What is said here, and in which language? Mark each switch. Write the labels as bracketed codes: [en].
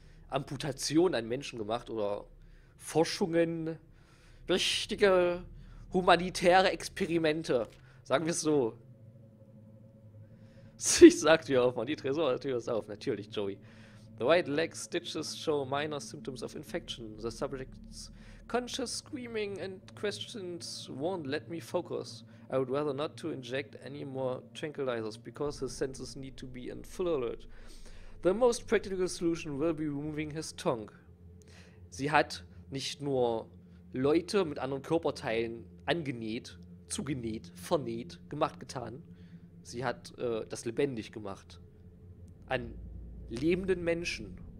[de] Amputationen an Menschen gemacht oder Forschungen, richtige humanitäre Experimente. Sagen wir es so. Sie sagt ja auch mal, die Tresortür ist auf. Natürlich, [en] Joey. The white leg stitches show minor symptoms of infection. The subject's conscious screaming and questions won't let me focus. I would rather not to inject any more tranquilizers, because his senses need to be in full alert. The most practical solution will be removing his tongue. [de] Sie hat nicht nur Leute mit anderen Körperteilen angenäht, zugenäht, vernäht, gemacht, getan. Sie hat das lebendig gemacht. An lebenden Menschen.